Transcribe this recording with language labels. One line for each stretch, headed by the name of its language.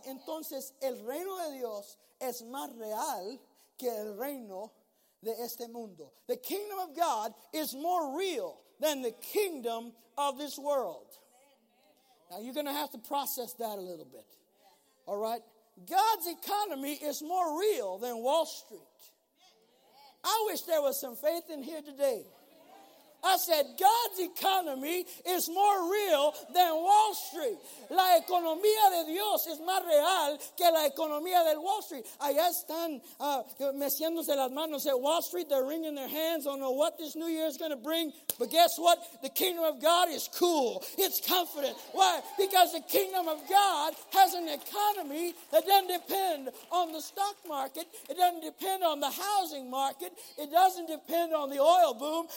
Spanish: Entonces, el reino de Dios es más real que el reino de este mundo.
English: The kingdom of God is more real than the kingdom of this world. Now you're going to have to process that a little bit. All right? God's economy is more real than Wall Street. I wish there was some faith in here today. I said, God's economy is more real than Wall Street.
Spanish: La economía de Dios es más real que la economía del Wall Street. Allá están meciéndose las manos at Wall Street.
English: They're wringing their hands. Don't know what this new year is going to bring. But guess what? The kingdom of God is cool. It's confident. Why? Because the kingdom of God has an economy that doesn't depend on the stock market. It doesn't depend on the housing market. It doesn't depend on the oil boom.